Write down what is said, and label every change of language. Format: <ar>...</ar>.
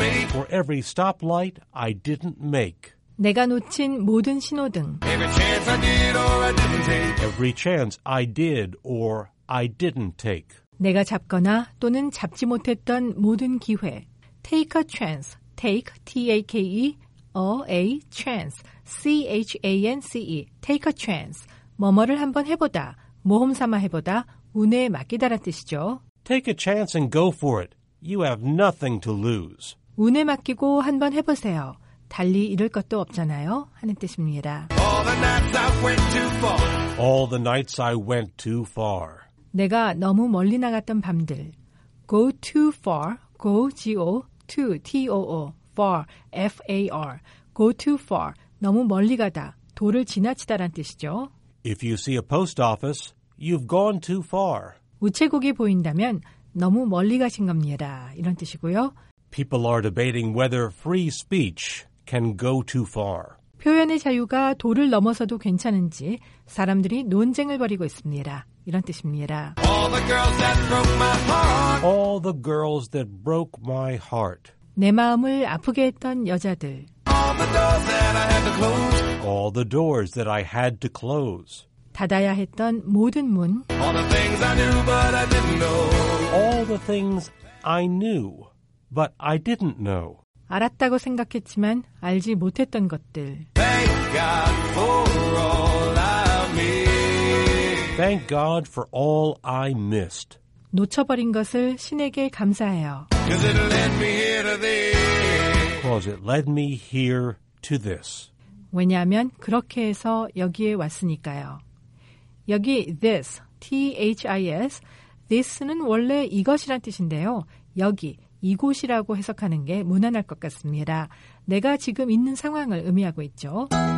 <en>For every stoplight I didn't make.</en> <ko>내가 놓친 모든 신호등.</ko> <en>Every chance I did or I didn't take. Every chance I did or I didn't take.</en> <ko>내가 잡거나 또는 잡지 못했던 모든 기회.</ko> <en>Take a chance. Take, T-A-K-E, a, a chance. C-H-A-N-C-E. Take a chance.</en> <ko>뭐뭐를 한번 해보다, 모험 삼아 해보다, 운에 맡기다란 뜻이죠.</ko> <en>Take a chance and go for it. You have nothing to lose.</en> <ko>운에 맡기고 한번 해보세요. 달리 잃을 것도 없잖아요. 하는 뜻입니다.</ko> <en>All the nights I went too far. All the nights I went too far.</en> <ko>내가 너무 멀리 나갔던 밤들.</ko> <en>Go too far. Go, G-O, too, T-O-O. Far, F-A-R. Go too far.</en> <ko>너무 멀리 가다. 도를 지나치다란 뜻이죠.</ko> <en>If you see a post office, you've gone too far.</en> <ko>우체국이 보인다면 너무 멀리 가신 겁니다. 이런 뜻이고요.</ko> <en>People are debating whether free speech can go too far.</en> <ko>표현의 자유가 도를 넘어서도 괜찮은지 사람들이 논쟁을 벌이고 있습니다. 이런 뜻입니다.</ko> <en>All the girls that broke my heart. All the girls that broke my heart.</en> <ko>내 마음을 아프게 했던 여자들.</ko> <en>All the doors that I had to close. All the doors that I had to close.</en> <ko>닫아야 했던 모든 문.</ko> <en>All the things I knew but I didn't know. All the things I knew but I didn't know.</en> <ko>알았다고 생각했지만 알지 못했던 것들.</ko> <en>Thank God for all I missed. Thank God for all I missed.</en> <ko>놓쳐버린 것을 신에게 감사해요.</ko> <en>'Cause it led me here to this. 'Cause it led me here to this.</en> <ko>왜냐하면 그렇게 해서 여기에 왔으니까요. 여기 this, T-H-I-S, this는 원래 이것이란 뜻인데요. 여기 이곳이라고 해석하는 게 무난할 것 같습니다. 내가 지금 있는 상황을 의미하고 있죠.</ko>